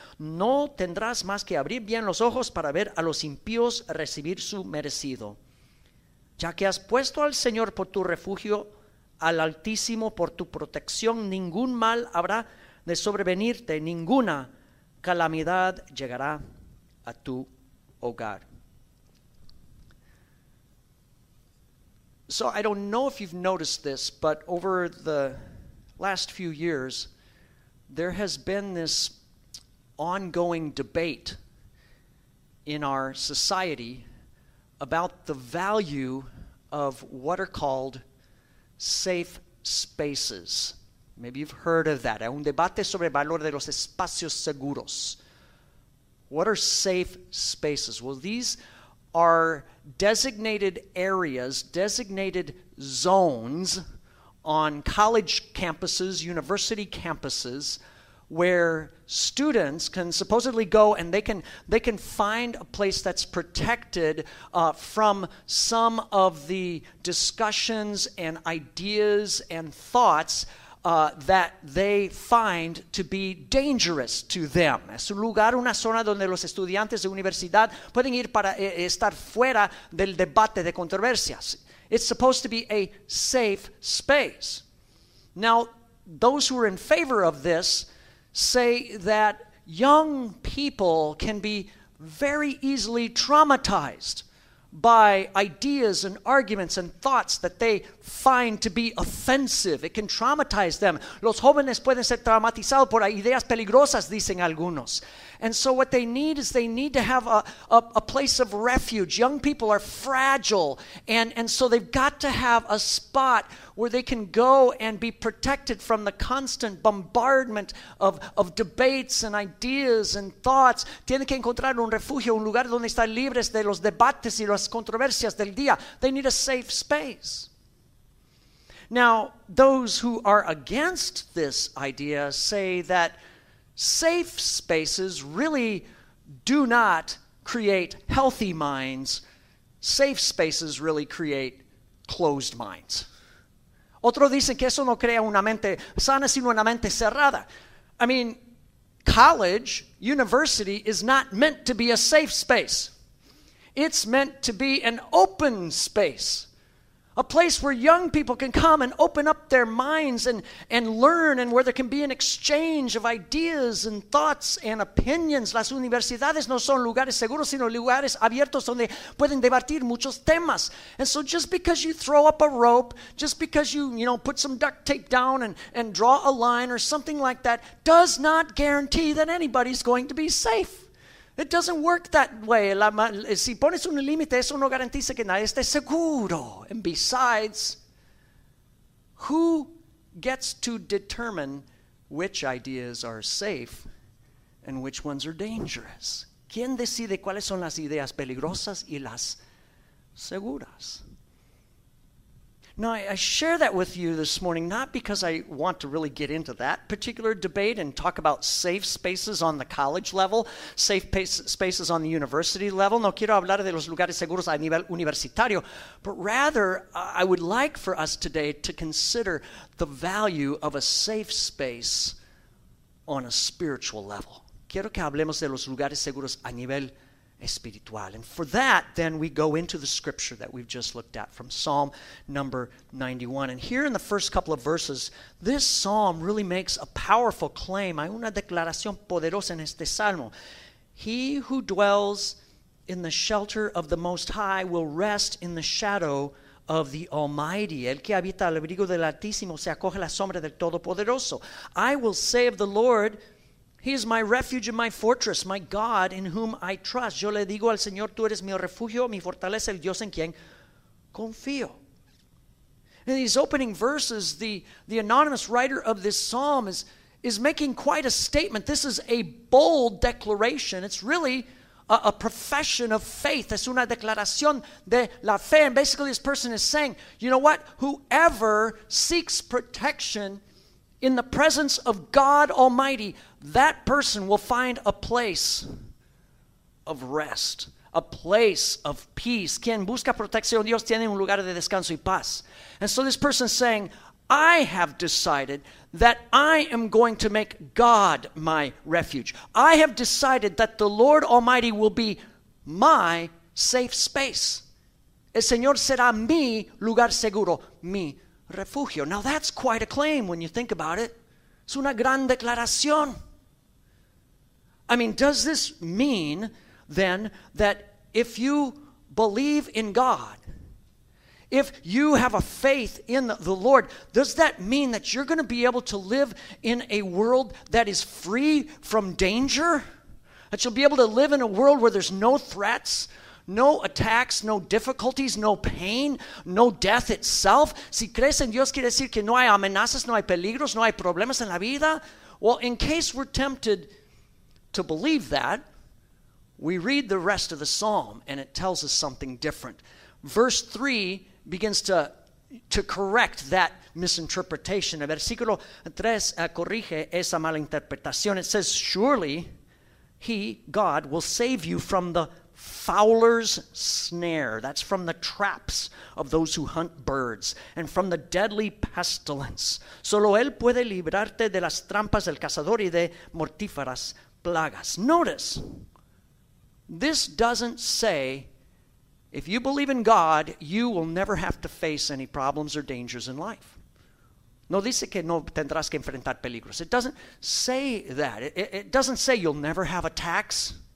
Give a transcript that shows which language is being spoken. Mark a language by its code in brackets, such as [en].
[es] No tendrás más que abrir bien los ojos para ver a los impíos recibir su merecido. Ya que has puesto al Señor por tu refugio, al Altísimo por tu protección, ningún mal habrá de sobrevenirte, ninguna calamidad llegará a tu hogar. [en] So I don't know if you've noticed this, but over the last few years, there has been this ongoing debate in our society about the value of what are called safe spaces. Maybe you've heard of that. [es] Un debate sobre el valor de los espacios seguros. [en] What are safe spaces? Well, these are designated areas, designated zones on college campuses, university campuses, where students can supposedly go and they can find a place that's protected from some of the discussions and ideas and thoughts that they find to be dangerous to them. [es] Es un lugar, una zona donde los estudiantes de universidad pueden ir para estar fuera del debate de controversias. [en] It's supposed to be a safe space. Now, those who are in favor of this say that young people can be very easily traumatized by ideas and arguments and thoughts that they find to be offensive. It can traumatize them. [es] Los jóvenes pueden ser traumatizados por ideas peligrosas, dicen algunos. [en] And so what they need is they need to have a place of refuge. Young people are fragile, and so they've got to have a spot where they can go and be protected from the constant bombardment of debates and ideas and thoughts. [es] Tienen que encontrar un refugio, un lugar donde estar libres de los debates y las controversias del día. [en] They need a safe space. Now, those who are against this idea say that safe spaces really do not create healthy minds. Safe spaces really create closed minds. [es] Otros dicen que eso no crea una mente sana, sino una mente cerrada. [en] I mean, college, university, is not meant to be a safe space. It's meant to be an open space. A place where young people can come and open up their minds and learn, and where there can be an exchange of ideas and thoughts and opinions. [es] Las universidades no son lugares seguros, sino lugares abiertos donde pueden debatir muchos temas. [en] And so just because you throw up a rope, just because you put some duct tape down and draw a line or something like that, does not guarantee that anybody's going to be safe. It doesn't work that way. [es] Si pones un límite, eso no garantiza que nadie esté seguro. [en] And besides, who gets to determine which ideas are safe and which ones are dangerous? [es] ¿Quién decide cuáles son las ideas peligrosas y las seguras? [en] Now, I share that with you this morning, not because I want to really get into that particular debate and talk about safe spaces on the college level, safe spaces on the university level. [es] No quiero hablar de los lugares seguros a nivel universitario. [en] But rather, I would like for us today to consider the value of a safe space on a spiritual level. [es] Quiero que hablemos de los lugares seguros a nivel espiritual. [en] And for that, then we go into the scripture that we've just looked at from Psalm number 91. And here in the first couple of verses, this psalm really makes a powerful claim. [es] Hay una declaración poderosa en este salmo. [en] He who dwells in the shelter of the Most High will rest in the shadow of the Almighty. [es] El que habita al abrigo del Altísimo se acoge a la sombra del Todopoderoso. [en] I will say of the Lord, He is my refuge and my fortress, my God in whom I trust. [es] Yo le digo al Señor, tú eres mi refugio, mi fortaleza, el Dios en quien confío. [en] In these opening verses, the anonymous writer of this psalm is making quite a statement. This is a bold declaration. It's really a profession of faith. [es] Es una declaración de la fe. [en] And basically this person is saying, you know what? Whoever seeks protection in the presence of God Almighty, that person will find a place of rest, a place of peace. [es] Quien busca protección, Dios tiene un lugar de descanso y paz. [en] And so this person is saying, I have decided that I am going to make God my refuge. I have decided that the Lord Almighty will be my safe space. [es] El Señor será mi lugar seguro, mi refugio. [en] Now that's quite a claim when you think about it. [es] Es una gran declaración. [en] I mean, does this mean then that if you believe in God, if you have a faith in the Lord, does that mean that you're going to be able to live in a world that is free from danger? That you'll be able to live in a world where there's no threats, no attacks, no difficulties, no pain, no death itself? [es] Si crees en Dios, quiere decir que no hay amenazas, no hay peligros, no hay problemas en la vida? [en] Well, in case we're tempted to believe that, we read the rest of the psalm and it tells us something different. Verse 3 begins to correct that misinterpretation. [es] El versículo 3 corrige esa mala interpretación. [en] It says, surely he, God, will save you from the fowler's snare. That's from the traps of those who hunt birds, and from the deadly pestilence. [es] Solo él puede librarte de las trampas del cazador y de mortíferas plagas. [en] Notice, this doesn't say, if you believe in God, you will never have to face any problems or dangers in life. [es] No dice que no tendrás que enfrentar peligros. [en] It doesn't say that. It doesn't say you'll never have attacks.